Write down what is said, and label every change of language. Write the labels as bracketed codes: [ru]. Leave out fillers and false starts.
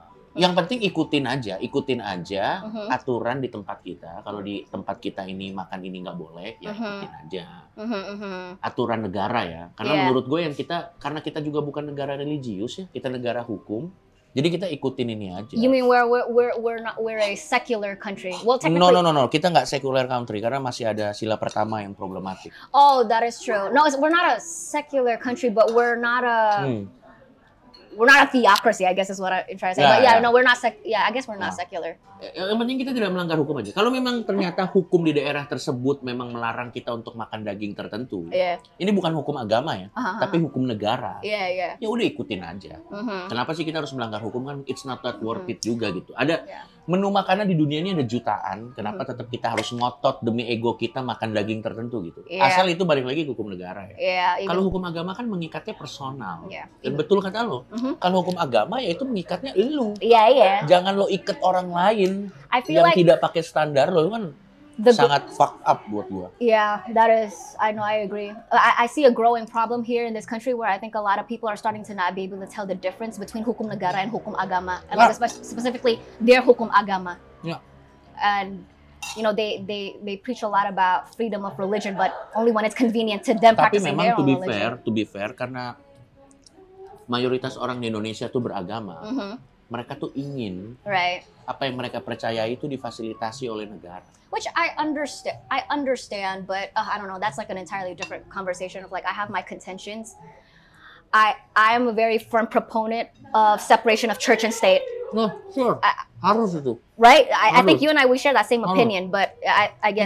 [id] Yang penting ikutin aja aturan di tempat kita. Kalau di tempat kita ini makan ini nggak boleh, ya ikutin aja. Aturan negara ya. Karena menurut gue yang kita, karena kita juga bukan negara religius ya, kita negara hukum. Jadi kita ikutin ini aja. [en] You mean we're a secular country? Well, technically. No. [id] Kita nggak secular country karena masih ada sila pertama yang problematik. [en] Oh, that is true. No, we're not a secular country, but we're not a theocracy. I guess is what I'm trying to say. Nah, but yeah, no, we're not. I guess we're not secular. [id] Yang penting kita tidak melanggar hukum aja. Kalau memang ternyata hukum di daerah tersebut memang melarang kita untuk makan daging tertentu, ini bukan hukum agama ya, tapi hukum negara. [en] Yeah. [id] Ya udah ikutin aja. Kenapa sih kita harus melanggar hukum kan? [en] It's not that worth it [id] juga gitu. Ada menu makanan di dunia ini ada jutaan. Kenapa tetap kita harus ngotot demi ego kita makan daging tertentu gitu? [en] Yeah. [id] Asal itu balik lagi ke hukum negara ya. [en] Yeah, [id] kalau hukum agama kan mengikatnya personal. [en] Yeah, [id] dan betul kata lo. Kalau hukum agama ya itu mengikatnya lo. Iya yeah, iya. Yeah. Jangan lo ikat orang lain. [en] I feel [id] yang [en] like [id] tidak pakai standar loh, kan sangat fuck up buat gua. [en] Yeah, that is. I know. I agree. I see a growing problem here in this country where I think a lot of people are starting to not be able to tell the difference between [id] hukum negara [en] and [id] hukum agama, [en] and like specifically their hukum agama. Yeah. And you know they preach a lot about freedom of religion, but only when it's convenient to them. [id] Tapi [en] practicing [id] memang [en] their own to be fair, [id] karena mayoritas orang di Indonesia tuh beragama. Mereka tuh ingin apa yang mereka percayai itu difasilitasi oleh negara. [en] Which I understand, but I don't know. That's like an entirely different conversation of like I have my contentions. I am a very firm proponent of separation of church and state. [id] Harus itu. [en] Right? I think you and I share that same opinion, but I guess.